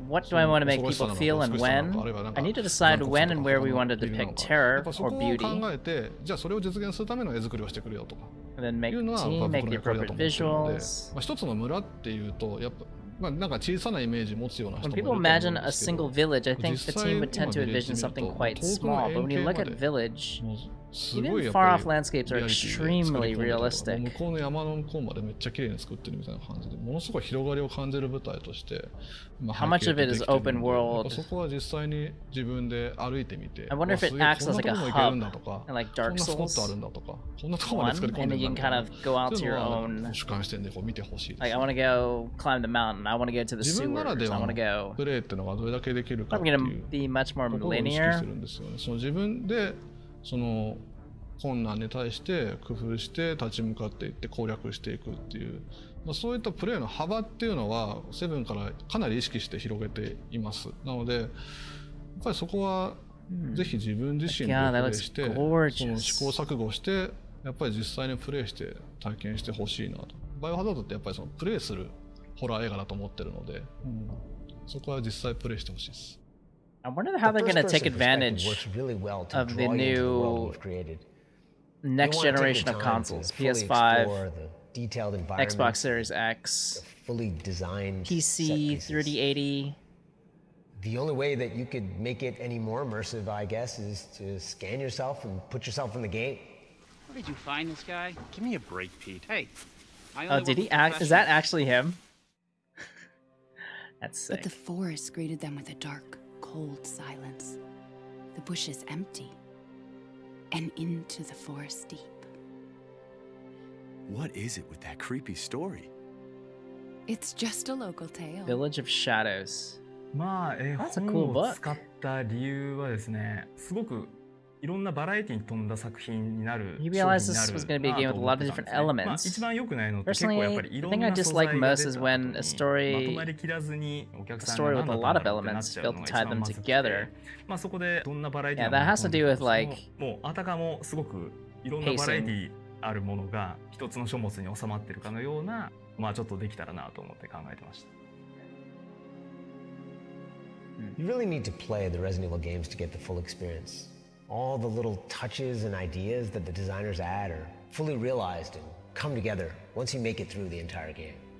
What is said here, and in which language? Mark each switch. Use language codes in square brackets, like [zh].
[ja] 恐ろしさなのか美しさなのか、あるいは何か残酷さなのか、やっぱそこを考えて、じゃあそれを実現するための絵作りをしてくれよとかいうのは僕の役割だと思っているので、まあ一つの村っていうとやっぱまあ、なんか小さなイメージ持つような人もいると思うんですけど、 [en] When people imagine a single village, I think the team would tend to envision something quite small. But when you look at village, even far off landscapes are extremely realistic. [ja] 向こうの山の向こうまでめっちゃ綺麗に作ってるみたいな感じで、ものすごい広がりを感じる舞台として、 [en] まあ、How much of it is open world? [ja] そこは実際に自分で歩いてみて、 [en] I wonder if it acts as like a hub, and like Dark Souls. [ja] こんなスポットあるんだとか、こんなところまで作り込んでるんだとか、そういうのは主観視点でこう見てほしいです。 [en] Like I want to go climb the mountain. I want to go to the sewers. [ja] 自分ならではのプレイっていうのがどれだけできるかっていうところを意識してるんですよね。その自分でその困難に対して工夫して立ち向かっていって攻略していくっていう、まあ、そういったプレイの幅っていうのはセブンからかなり意識して広げています。なのでやっぱりそこはぜひ自分自身でプレイして、その試行錯誤してやっぱり実際にプレイして体験してほしいなと。バイオハザードってやっぱりそのプレイするホラー映画だと思ってるので、そこは実際プレイしてほしいです。 [en] I wonder how they're going to take advantage of the new next generation of consoles, PS5, Xbox Series X, fully designed PC 3080. The only way that you could make it any more immersive, I guess, is to scan yourself and put yourself in the game. Where did you find this guy? Give me a break, Pete. Hey, is that actually him? That's sick. But the forest greeted them with a dark, cold silence. The bushes empty. And into the forest deep. What is it with that creepy story? It's just a local tale. Village of Shadows. [ja] まあ、 [en] That's a cool book. [ja] 本を使った理由はですね、すごくいろんなバラエティに富んだ作品になる [en] You realize this was going to be a game with a lot of different elements. [ja] まあ、一番良くないのって [en] Personally, [ja] 結構やっぱりいろんな [en] the thing I dislike most is when a story, [ja] まとまりきらずにお客さんが [en] a story with a lot of elements failed to tie them together. [ja] まあそこでどんなバラエティ [en] Yeah, that has to do with like [ja] もうあたかもすごくいろんなバラエティあるものが一つの書物に収まってるかのようなまあちょっとできたらなと思って考えてました。 [en] You really need to play the Resident Evil games to get the full experience. All the little touches and ideas that the designers add are fully realized and come together once you make it through the entire game.